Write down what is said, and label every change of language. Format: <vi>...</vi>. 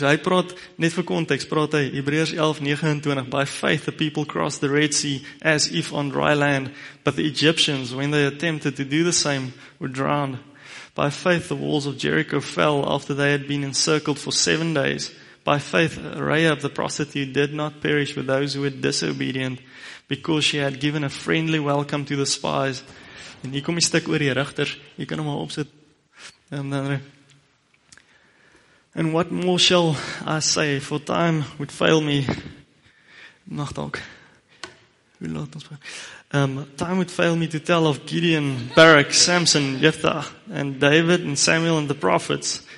<af>So hy praat, net vir context, praat hy,</af> <en>Hebreërs 11, 29, by faith the people crossed the Red Sea as if on dry land, but the Egyptians, when they attempted to do the same, were drowned. By faith the walls of Jericho fell after they had been encircled for 7 days. By faith, Rahab the prostitute did not perish with those who were disobedient, because she had given a friendly welcome to the spies.</en> <af>En hier kom die stuk oor die rigters, jy kan hom al opzet.</af> <en>And what more shall I say, for time would fail me. Time would fail me to tell of Gideon, Barak, Samson, Jephthah, and David, and Samuel, and the prophets.</en>